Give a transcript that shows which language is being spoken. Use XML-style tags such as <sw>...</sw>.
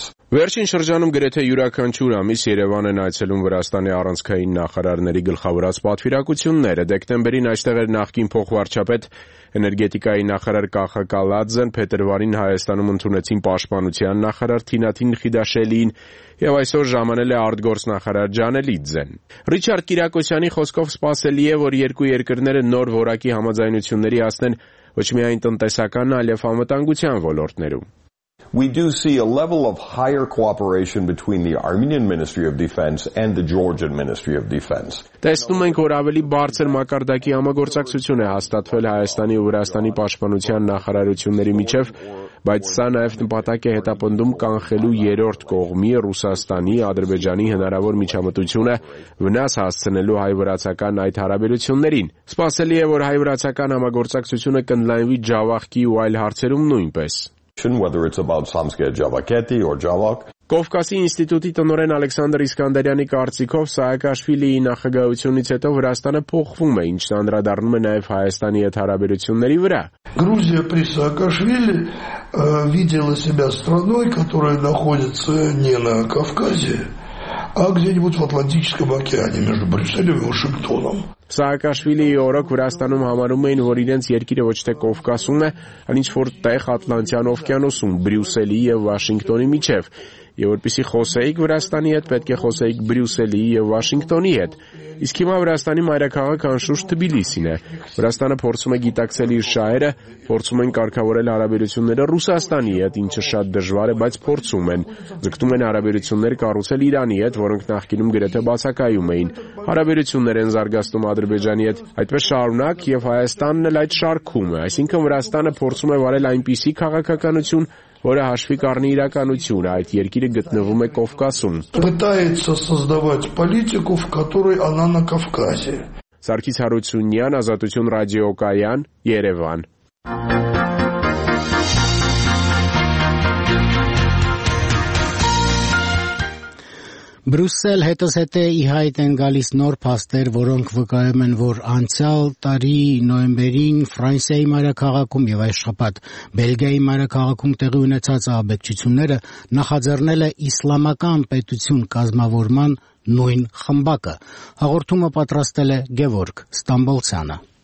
<hy>Վերջին շրջանում գրեթե յուրաքանչյուր ամիս Երևան են այցելում Վրաստանի առանցքային նախարարների գլխավորած պատվիրակությունները։ Դեկտեմբերին այստեղ էր նախկին փոխվարչապետ էներգետիկայի նախարար Կախա Կալադզեն, փետրվարին Հայաստանում ընդունեցին պաշտպանության նախարար Թինաթին Խիդաշելին եւ այսօր ժամանել է արտգործ նախարար Ջանելիձեն։ Ռիչարդ Կիրակոսյանի խոսքով սպասելի է, որ երկու երկրները նոր որակի համաձայնությունների հասնեն ոչ միայն տնտեսական, այլև համատանգության ոլորտներում։</hy> <en>We do see a level of higher cooperation between the Armenian Ministry of Defense and the Georgian Ministry of Defense.</en> <hy>Տեսնում ենք, որ ավելի բարձր մակարդակի համագործակցություն է հաստատվել Հայաստանի ու Վրաստանի պաշտպանության նախարարությունների միջև, բայց սա նաև նպատակ է հետապնդում կանխելու երրորդ կողմի Ռուսաստանի Ադրբեջանի հնարավոր միջամտությունը վնաս հասցնելու հայ-վրացական այդ հարաբերություններին։ Սպասելի է, որ հայ-վրացական համագործակցությունը կնլայնվի Ջավախքի ու այլ հարցերում նույնպես։</hy> <en>Whether it's about Samske Javakheti or Javakh.</en> <hy>Կովկասի ինստիտուտի տնօրեն Ալեքսանդր Իսկանդարյանի կարծիքով Սայակաշվիլիի նախագահությունից հետո Վրաստանը փոխվում է, ինչն անդրադառնում է նաև Հայաստանի հետ հարաբերությունների վրա։</hy> <ru>Грузия при Саакашвили видела себя страной, которая находится не на Кавказе, а где-нибудь в Атлантическом океане между Брюсселем и Вашингтоном.</ru> <hy>Սաակաշվիլիի օրոք Վրաստանում համարում էին, որ իրենց երկիրը ոչ թե Կովկասում է, այլ ինչ-որ տեղ Ատլանտյան օվկիանոսում, Բրյուսելի և Վաշինգտոնի միջև։ Եվ որպեսզի խոսեիք Վրաստանի հետ, պետք է խոսեիք Բրյուսելի և Վաշինգտոնի հետ։ Իսկ հիմա Վրաստանի մայրաքաղաքը անշուշտ Թբիլիսին է։ Վրաստանը փորձում է գիտակցել իր շահերը, փորձում են կարգավորել հարաբերությունները Ռուսաստանի հետ, ինչը շատ դժվար է, բայց փորձում են։ Ձգտում են հարաբերություններ կառուցել Իրանի հետ, որոնք նախկինում գրեթե բացակայում էին։ Հարաբերություններ են զարգացնում Ադրբեջանի հետ, այդպես շարունակ, և Հայաստանն էլ այդ շարքում է։ Այսինքն Վրաստանը փորձում է վարել այնպիսի քաղաքականություն, որը հաշվի առնի իրականություն, այդ երկիրը գտնվում է Կովկասում։</hy> <ru>Пытается создавать политику, в которой она на Кавказе.</ru> <hy>Սարգիս Հարությունյան, Ազատություն ռադիոկայան, Երևան։ Բրյուսել հետս հետե իհայտ են գալիս նոր փաստեր, որոնք վկայում են, որ անցյալ տարի նոյեմբերին Ֆրանսիայի մայրաքաղաքում եւ այս շաբաթ Բելգիայի մայրաքաղաքում տեղի ունեցած ահաբեկչությունները նախաձեռնել է իսլամական պետություն կազմավորման նույն խմբակը։ Հաղորդումը պատրաստել է Գևորգ Ստամբոլցյանը։</hy>